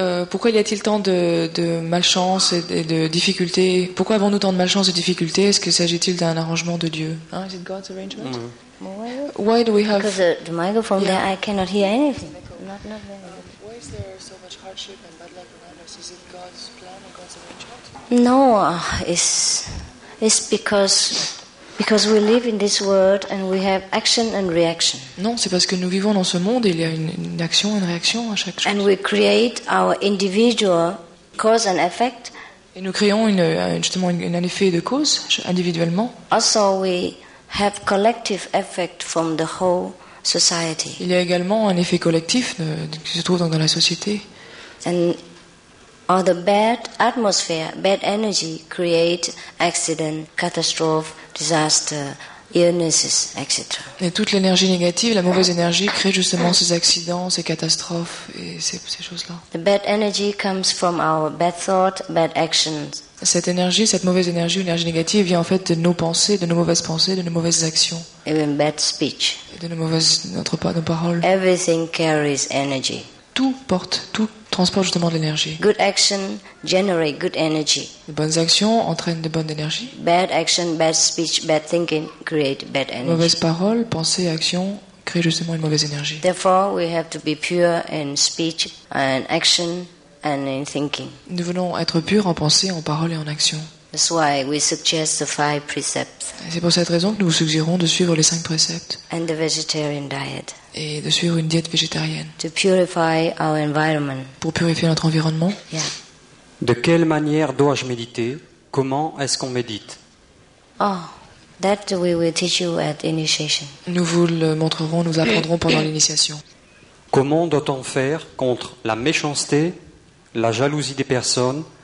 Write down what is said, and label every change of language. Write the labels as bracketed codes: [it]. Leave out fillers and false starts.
[fr] Pourquoi y a-t-il tant de malchance et de difficultés? Pourquoi avons-nous tant de malchance et de difficultés? Est-ce que s'agit-il d'un arrangement de Dieu? [en] Hein? Is it God's arrangement? Mm-hmm. Why do we have? Because the microphone there, I cannot hear anything. Not very. Why is there so much hardship and bad luck around us? Is it God's plan or God's arrangement? No, it's because we live in this world and we have action and reaction. [fr] Non, c'est parce que nous vivons dans ce monde et il y a une action et une réaction à chaque chose. [en] And we create our individual cause and effect. [fr] Et nous créons un effet de cause individuellement. [en] Also, we have collective effect from the whole society. [fr] Il y a également un effet collectif qui se trouve dans la société. [en] And all the bad atmosphere, bad energy create accident, catastrophe, disaster, illnesses, etc. [fr] Et toute l'énergie négative, la mauvaise énergie crée justement ces accidents, ces catastrophes et ces choses-là. [en] The bad energy comes from our bad thought, bad actions. [fr] Cette énergie, cette mauvaise énergie, l'énergie négative, vient en fait de nos pensées, de nos mauvaises pensées, de nos mauvaises actions. [en] Even bad speech. [fr] Et de nos paroles. [en] Everything carries energy. [fr] Tout transporte justement de l'énergie. [en] Good action generate good energy. [fr] De bonnes actions entraînent de bonnes énergies. [en] Bad action, bad speech, bad thinking create bad energy. [fr] Mauvaises paroles, pensées, actions créent justement une mauvaise énergie. [en] Therefore, we have to be pure in speech and action. And in thinking. [fr] Nous voulons être purs en pensée, en parole et en action. [en] That's why we suggest the five precepts. [fr] Et c'est pour cette raison que nous vous suggérons de suivre les cinq préceptes. [en] And the vegetarian diet. [fr] Et de suivre une diète végétarienne. [en] To purify our environment. [fr] Pour purifier notre environnement. [en] Yeah. [fr] De quelle manière dois-je méditer? Comment est-ce qu'on médite? [en] Oh, that we will teach you at initiation. [fr] Nous vous le montrerons, nous apprendrons pendant l'initiation. Comment doit-on faire contre la méchanceté, la jalousie des personnes,